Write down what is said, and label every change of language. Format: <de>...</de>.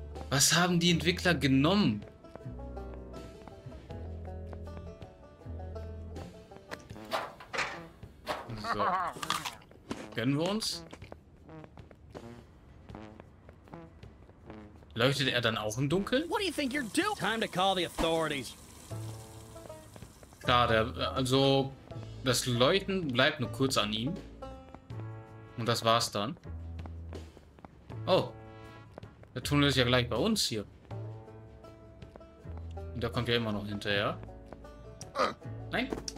<de>Was haben die Entwickler genommen? So. Gönnen wir uns? Leuchtet er dann auch im Dunkeln?</de> <en>What do you think you're doing? Time to call the authorities.</en> <de>Klar, der, also das Leuchten bleibt nur kurz an ihm. Und das war's dann. Oh. Der Tunnel ist ja gleich bei uns hier. Und der kommt ja immer noch hinterher. Nein.</de>